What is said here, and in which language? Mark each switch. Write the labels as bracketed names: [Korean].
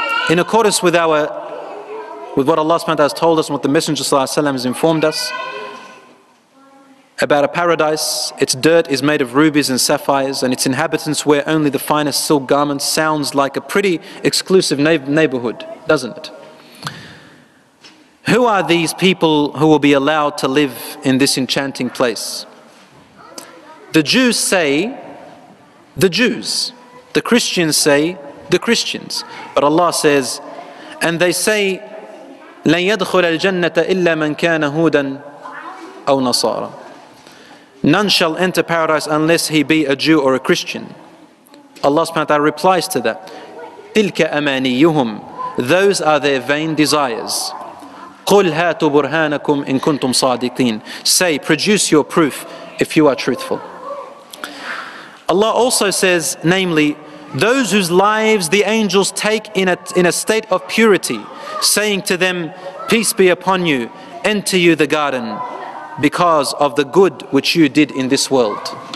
[English] In accordance with our with what Allah subhanahu wa ta'ala has told us and what the Messenger sallallahu alayhi wa sallam has informed us about a paradise, its dirt is made of rubies and sapphires, and its inhabitants wear only the finest silk garments. Sounds like a pretty exclusive neighborhood, doesn't it? Who are these people who will be allowed to live in this enchanting place? The Jews say, the Jews. The Christians say, the Christians. But Allah says, and they say, [Arabic] لَنْ يَدْخُلَ الْجَنَّةَ إِلَّا مَنْ كَانَ هُودًا أَوْ نَصَارًا. [English] None shall enter paradise unless he be a Jew or a Christian. Allah subhanahu wa ta'ala replies to that. [Arabic] تِلْكَ أَمَانِيُّهُمْ. [English] Those are their vain desires. [Arabic] قُلْ هَاتُوا بُرْهَانَكُمْ إِن كُنْتُمْ صَادِقِينَ. [English] Say, produce your proof if you are truthful. Allah also says, namely, those whose lives the angels take in a state of purity, saying to them, peace be upon you, enter you the garden because of the good which you did in this world.